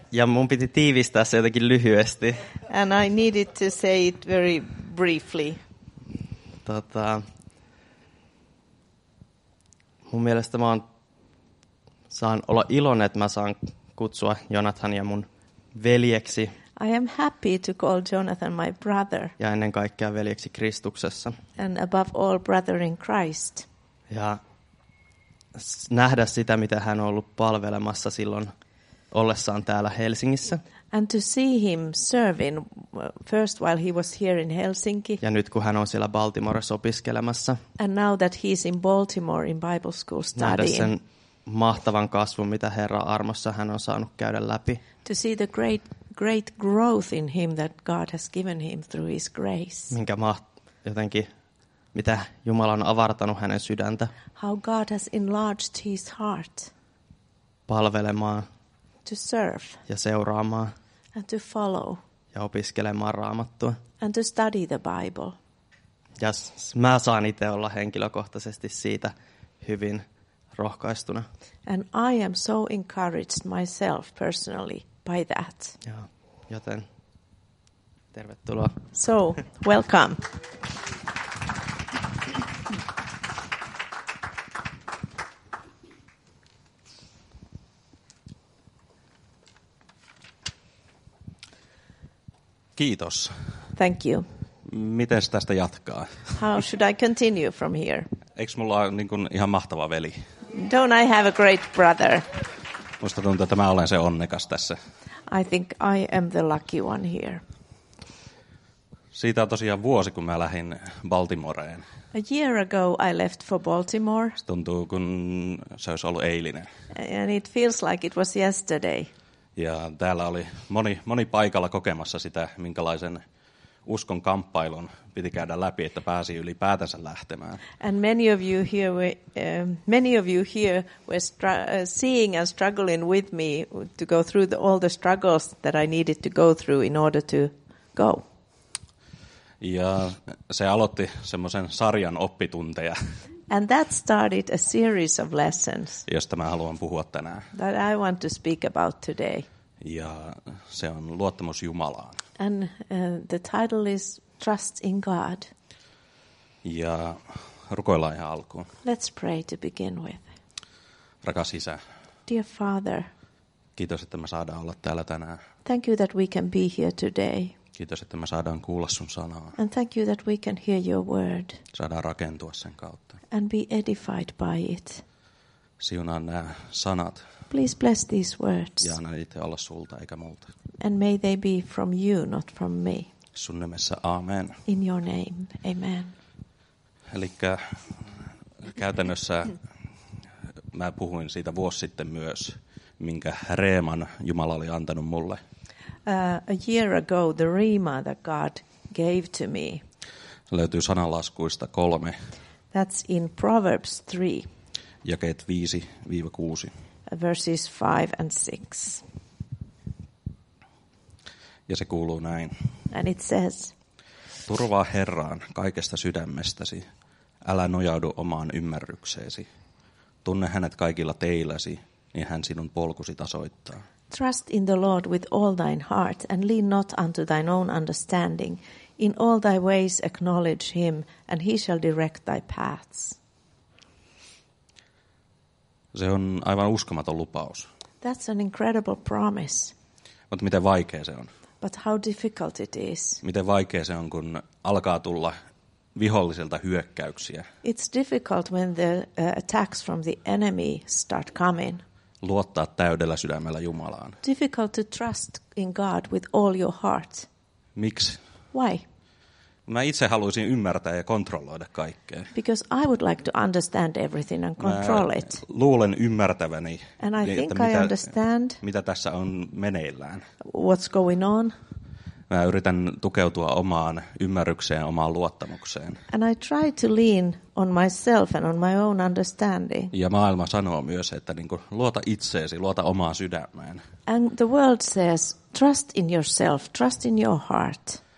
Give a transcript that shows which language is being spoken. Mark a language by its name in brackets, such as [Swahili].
[Finnish] Ja mun piti tiivistää se jotenkin lyhyesti. [English] And I needed to say it very briefly. [Finnish] Mun mielestä mä saan olla iloinen, että mä saan kutsua Jonathan ja mun veljeksi. [English] I am happy to call Jonathan my brother. [Finnish] Ja ennen kaikkea veljeksi Kristuksessa. [English] And above all brother in Christ. [Finnish] Ja nähdä sitä, mitä hän on ollut palvelemassa silloin ollessaan täällä Helsingissä. [English] And to see him serving first while he was here in Helsinki. [Finnish] Ja nyt kun hän on siellä Baltimoressa opiskelemassa. [English] And now that he's in Baltimore in Bible school studying. [Finnish] Nähdä sen mahtavan kasvun, mitä Herran armossa hän on saanut käydä läpi. [English] To see the great growth in him that God has given him through his grace. [Finnish] Minkä jotenkin mitä Jumala on avartanut hänen sydäntä. [English] How God has enlarged his heart. [Finnish] Palvelemaan. [English] To serve. [Finnish] Ja seuraamaan. [English] And to follow. [Finnish] Ja opiskelemaan Raamattua. [English] And to study the Bible. [Finnish] Ja mä saan itse olla henkilökohtaisesti siitä hyvin rohkaistuna. [English] And I am so encouraged myself personally by that. [Finnish] Ja, joten tervetuloa. [English] So, welcome. [Finnish] Kiitos. [English] Thank you. [Finnish] Miten tästä jatkaa? [English] How should I continue from here? [Finnish] Eikö mulla ole niin kuin ihan mahtava veli? [English] Don't I have a great brother? [Finnish] Musta tuntuu, että mä olen se onnekas tässä. [English] I think I am the lucky one here. [Finnish] Siitä on tosiaan vuosi, kun mä lähdin Baltimoreen. [English] A year ago I left for Baltimore. [Finnish] Se tuntuu, kun se olisi ollut eilinen. [English] And it feels like it was yesterday. [Finnish] Ja täällä oli moni paikalla kokemassa sitä, minkälaisen uskon kamppailun piti käydä läpi, että pääsi ylipäätänsä lähtemään. [English] And many of you here were seeing and struggling with me to go through all the struggles that I needed to go through in order to go. [Finnish] Ja se aloitti semmoisen sarjan oppitunteja. [English] And that started a series of lessons. [Finnish] Josta mä haluan puhua tänään. [English] That I want to speak about today. [Finnish] Ja se on luottamus Jumalaan. [English] And the title is Trust in God. [Finnish] Ja rukoillaan ihan alkuun. [English] Let's pray to begin with. [Finnish] Rakas Isä. [English] Dear Father. [Finnish] Kiitos, että me saadaan olla täällä tänään. [English] Thank you that we can be here today. [Finnish] Kiitos, että me saadaan kuulla sun sanaa. [English] And thank you that we can hear your word. [Finnish] Saadaan rakentua sen kautta. [English] And be edified by it. [Finnish] Siunaa nämä sanat. [English] Please bless these words. [Finnish] Ja anna niitä olla sulta eikä multa. [English] And may they be from you, not from me. [Finnish] Sun nimessä, amen. [English] In your name, amen. [Finnish] Elikkä käytännössä mä puhuin siitä vuosi sitten myös, minkä reeman Jumala oli antanut mulle. [English] A year ago, the rhema that God gave to me. [Finnish] Löytyy sananlaskuista 3. [English] That's in Proverbs 3. [Finnish] Jakeet 5-6. [English] Verses 5 and 6. [Finnish] Ja se kuuluu näin. [English] And it says. [Finnish] Turvaa Herraan kaikesta sydämestäsi. Älä nojaudu omaan ymmärrykseesi. Tunne hänet kaikilla teilläsi, niin hän sinun polkusi tasoittaa. [English] Trust in the Lord with all thine heart and lean not unto thine own understanding. In all thy ways acknowledge him and he shall direct thy paths. [Finnish] Se on aivan uskomaton lupaus. [English] That's an incredible promise. [Finnish] Mutta miten vaikea se on? [English] But how difficult it is. [Finnish] Miten vaikea se on, kun alkaa tulla vihollisilta hyökkäyksiä? [English] It's difficult when the attacks from the enemy start coming. [Finnish] Luottaa täydellä sydämellä Jumalaan. [English] Difficult to trust in God with all your heart. [Finnish] Miksi? [English] Why? [Finnish] Mä itse haluaisin ymmärtää ja kontrolloida kaikkea. [English] Because I would like to understand everything and control it. [Finnish] Luulen ymmärtäväni, [English] and I think I understand. [Finnish] Mitä tässä on meneillään? [English] What's going on? [Finnish] Mä yritän tukeutua omaan ymmärrykseen, omaan luottamukseen. [English] And I try to lean on myself and on my own understanding. [Finnish] Ja maailma sanoo myös, että niinku, luota itseesi, luota omaan sydämeen. [English] And the world says, trust in yourself, trust in your heart.